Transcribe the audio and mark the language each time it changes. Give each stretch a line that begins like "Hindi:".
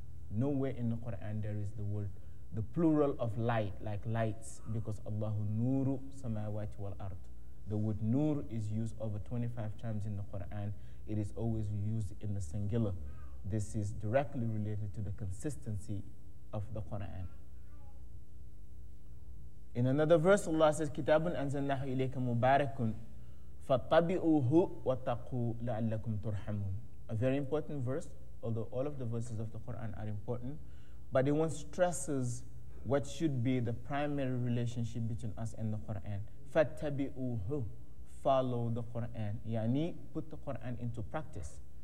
English: Nowhere in the Quran there is the word, the plural of light, like lights, because
Arabic: Allahu Nuru Samawati wal Ard.
English: The word Nur is used over 25 times in the Quran. It is always used in the singular. This is directly related to the consistency of the Quran. In another verse, Allah says,
Arabic: كِتَابٌ أَنزَلْنَاهُ إِلَيْكَ مُبَارَكٌ فَاتَّبِئُوهُ وَاتَّقُوا لَعَلَّكُمْ تُرْحَمُونَ.
English: A very important verse, although all of the verses of the Quran are important, but it once stresses what should be the primary relationship between us and the Quran.
Arabic: فَاتَّبِئُوهُ,
English: follow the Quran. يعني, put the Quran into practice.